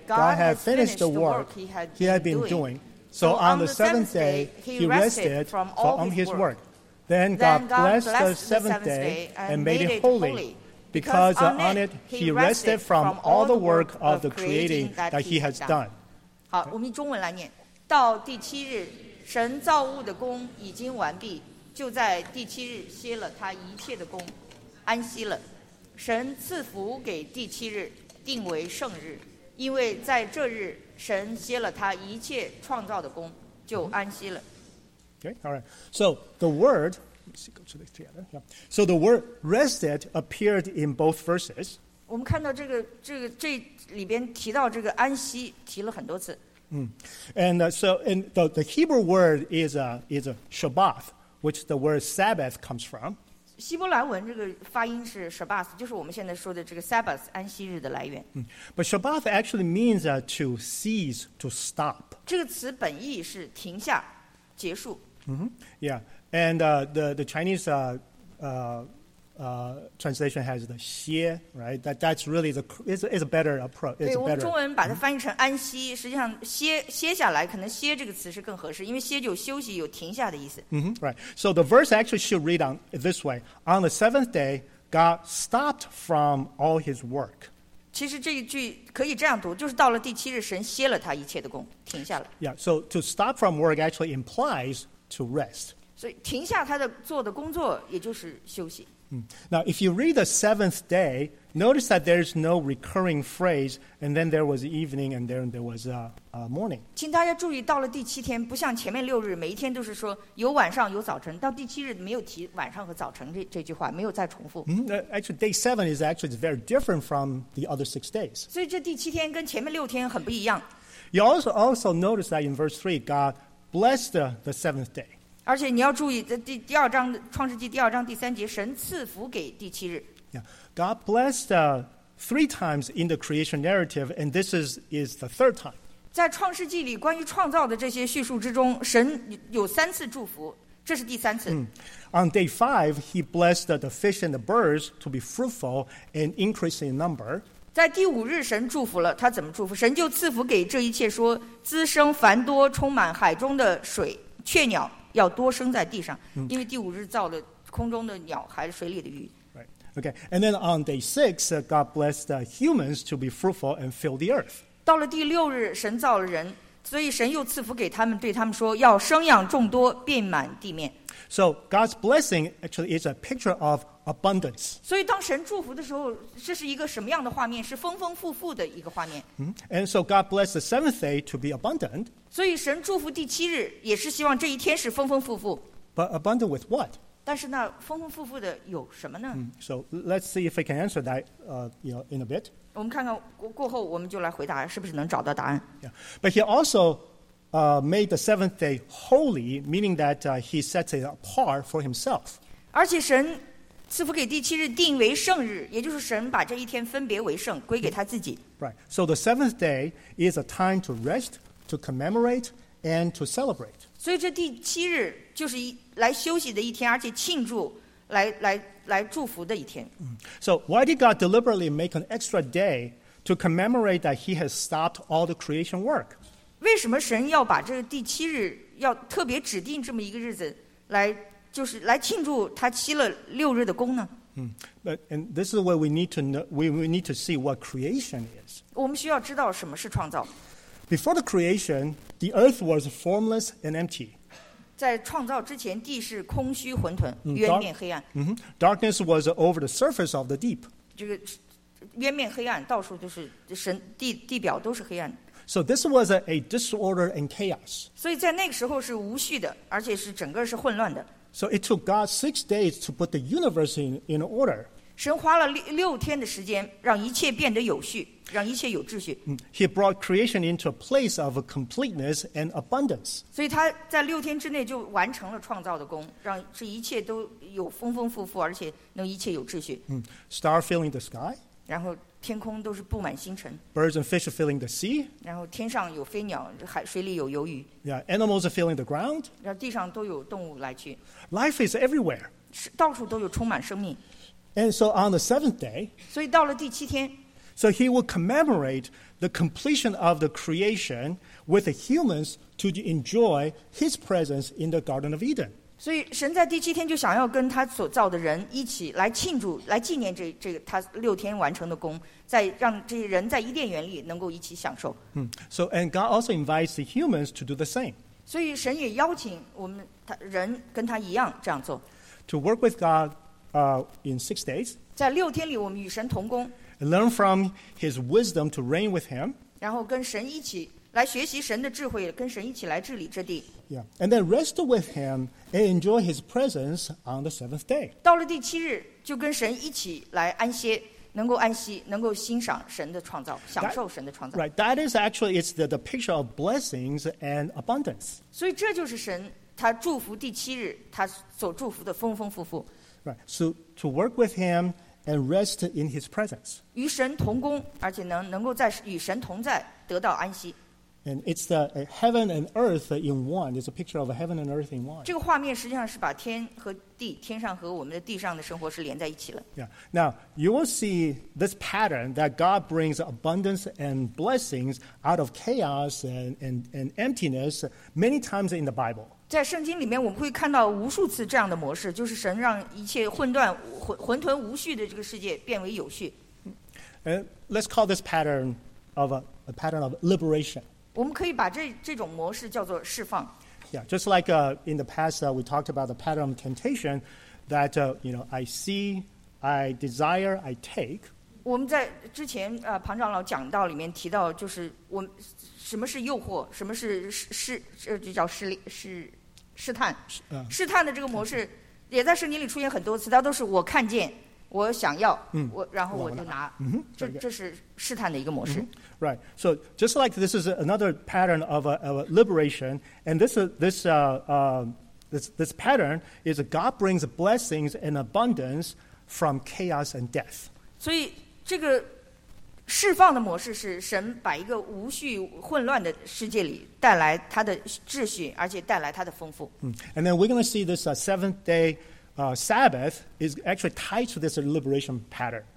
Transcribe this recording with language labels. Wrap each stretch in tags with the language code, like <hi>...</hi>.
<en>God had finished the work he had been doing. So on the seventh day, he rested from all his work. Then God blessed the seventh day and made it holy. Because on it, he rested from all the work of the creating that he has done.</en> <zh>好，我们以中文来念。到第七日，神造物的工已经完毕，就在第七日歇了他一切的工，安息了。神赐福给第七日，定为圣日，因为在这日神歇了他一切创造的工，就安息了。</zh> <en>Okay, all right. So the word, let's go to the other. Yeah. So the word rested appeared in both verses.</en> <zh>我们看到这里边提到这个安息提了很多次。</zh> <en>And so and the Hebrew word is a Shabbath, which the word Sabbath comes from.</en> <zh>希伯来文这个发音是 Shabbath, 就是我们现在说的这个 Sabbath, 安息日的来源。</zh> <en>But Shabbath actually means to cease, to stop.</en> <zh>这个词本意是停下，结束。</zh> <en>Yeah, and the Chinese translation has the 歇, right? That's really is a better approach.</en> <zh>对，我们中文把它翻译成安息，实际上歇下来，可能歇这个词是更合适，因为歇就休息，有停下的意思。</zh> <en>Right. So the verse actually should read on this way: On the seventh day, God stopped from all His work.</en> <zh>其实这一句可以这样读，就是到了第七日，神歇了他一切的工，停下了。</zh> <en>Yeah. So to stop from work actually implies to rest.</en> <zh>所以停下他的做的工作，也就是休息。</zh> <en>Now, if you read the seventh day, notice that there's no recurring phrase, and then there was evening, and then there was a morning.</en> <zh>请大家注意，到了第七天，不像前面六日，每一天都是说有晚上有早晨。到第七日没有提晚上和早晨这句话，没有再重复。</zh> <en>Actually, day seven is actually very different from the other six days.</en> <zh>所以这第七天跟前面六天很不一样。</zh> <en>You also notice that in verse three, God blessed the seventh day.</en> <zh>而且你要注意，在第二章《创世纪》第二章第三节，神赐福给第七日。</zh> <en>Yeah, God blessed three times in the creation narrative, and this is the third time.</en> <zh>在《创世纪》里关于创造的这些叙述之中，神有三次祝福，这是第三次。</zh> <en>On day five, He blessed the fish and the birds to be fruitful and increase in number.</en> <zh>在第五日，神祝福了，他怎么祝福？神就赐福给这一切说，说滋生繁多，充满海中的水，雀鸟。要多生在地上，因为第五日造了空中的鸟，还是水里的鱼。</zh> <en>Right. Okay. And then on day six, God blessed humans to be fruitful and fill the earth.</en> <zh>到了第六日，神造了人，所以神又赐福给他们，对他们说，要生养众多，遍满地面。</zh> <en>So God's blessing actually is a picture of abundance.</en> <zh>所以当神祝福的时候，这是一个什么样的画面？是丰丰富富的一个画面。</zh> <en>And so God blessed the seventh day to be abundant.</en> <zh>所以神祝福第七日，也是希望这一天是丰丰富富。</zh> <en>But abundant with what?</en> <zh>但是那丰丰富富的有什么呢？</zh> <en>So let's see if we can answer that, you know, in a bit.</en> <zh>我们看看过后，我们就来回答是不是能找到答案。</zh> <en>Yeah. But he also, made the seventh day holy, meaning that, he sets it apart for himself.</en> <zh>而且神赐福给第七日，定为圣日，也就是神把这一天分别为圣，归给他自己。</zh> <en>Right. So the seventh day is a time to rest. To commemorate and to celebrate.</en> <zh>所以这第七日就是来休息的一天，而且庆祝，来祝福的一天。</zh> <en>So why did God deliberately make an extra day to commemorate that He has stopped all the creation work?</en> <zh>为什么神要把这个第七日要特别指定这么一个日子来，就是来庆祝他歇了六日的工呢？</zh> <en>But and this is what we need to know. We need to see what creation is.</en> <zh>我们需要知道什么是创造。</zh> <en>Before the creation, the earth was formless and empty.</en> <zh>在创造之前，地是空虚混沌，渊面黑暗。</zh> <en>Darkness was over the surface of the deep.</en> <zh>这个渊面黑暗，到处都是神地表都是黑暗。</zh> <en>So this was a disorder and chaos.</en> <zh>所以在那个时候是无序的，而且是整个是混乱的。</zh> <en>So it took God 6 days to put the universe in order.</en> <zh>神花了六天的时间，让一切变得有序。让一切有秩序。</zh> <en>He brought creation into a place of completeness and abundance.</en> <zh>所以他在六天之内就完成了创造的工，让这一切都有丰丰富富，而且能一切有秩序。</zh> <en>Star filling the sky.</en> <zh>然后天空都是布满星辰。</zh> <en>Birds and fish filling the sea.</en> <zh>然后天上有飞鸟，海水里有游鱼。</zh> <en>Yeah, animals are filling the ground.</en> <zh>然后地上都有动物来去。</zh> <en>Life is everywhere.</en> <zh>到处都有充满生命。</zh> <en>And so on the seventh day.</en> <zh>所以到了第七天。</zh> <en>So he will commemorate the completion of the creation with the humans to enjoy his presence in the Garden of Eden.</en> <zh>所以神在第七天就想要跟他所造的人一起来庆祝，来纪念这个他六天完成的工，再让这些人在伊甸园里能够一起享受。</zh> <en>So and God also invites the humans to do the same.</en> <zh>所以神也邀请我们人跟他一样这样做。</zh> <en>To work with God, in 6 days.</en> <zh>在六天里，我们与神同工。</zh> <en>Learn from His wisdom to reign with Him.</en> <zh>然后跟神一起。来学习神的智慧，跟神一起来治理这地。</zh> <en>Yeah, and then rest with him and enjoy his presence on the seventh day.</en> <zh>到了第七日，就跟神一起来安歇，能够安息，能够欣赏神的创造，享受神的创造。</zh> <en>Right, that is actually it's the picture of blessings and abundance.</en> <zh>所以这就是神他祝福第七日，他所祝福的丰丰富富。</zh> <en>Right, so to work with him and rest in his presence.</en> <zh>与神同工，而且能够在与神同在，得到安息。</zh> <en>And it's the heaven and earth in one. It's a picture of a heaven and earth in one.</en> <zh>这个画面实际上是把天和地，天上和我们的地上的生活是连在一起了。</zh> <en>Yeah. Now you will see this pattern that God brings abundance and blessings out of chaos and emptiness many times in the Bible.</en> <zh>在圣经里面，我们会看到无数次这样的模式，就是神让一切混沌无序的这个世界变为有序。</zh> <en>And let's call this pattern of a pattern of liberation.</en> <zh>我们可以把这种模式叫做释放。</zh> <en>Yeah, just like in the past we talked about the pattern of temptation that you know, I see, I desire, I take.</en> <zh>我们在之前庞长老讲到里面提到，就是我们什么是诱惑，什么是就叫试探。试探的这个模式也在圣经里出现很多次，它都是我看见。我想要，然后我就拿，这是试探的一个模式。</zh> <en>Right. So just like this is another pattern of a liberation, and this pattern is God brings blessings and abundance from chaos and death.</en> <zh>所以这个释放的模式是神把一个无序混乱的世界里带来他的秩序，而且带来他的丰富。</zh> <en>And then we're going to see this seventh day. Sabbath is actually tied to this liberation pattern.</en>